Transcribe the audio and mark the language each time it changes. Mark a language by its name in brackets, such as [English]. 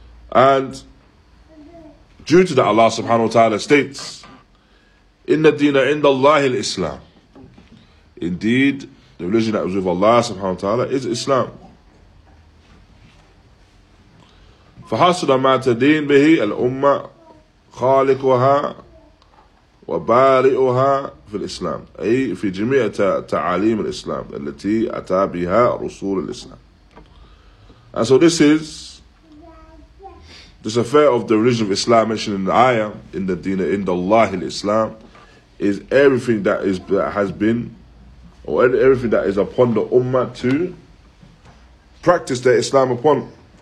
[English] And due to that, Allah subhanahu wa ta'ala states, [Arabic] "Inna dina inda Allahi al-Islam." [English] Indeed, the religion that is with Allah subhanahu wa ta'ala is Islam. [Arabic] فَحَصُلَ مَا تَدِينَ بِهِ الْأُمَّةِ خَالِقُهَا وَبَارِئُهَا فِي الْإِسْلَامِ أي في جميع تعاليم الإسلام التي أتى بها رسول الإسلام. [English] And so this is this affair of the religion of Islam mentioned in the ayah, in the deen, in the Allah, in Islam, is everything that has been, or everything that is upon the ummah to practice their Islam upon.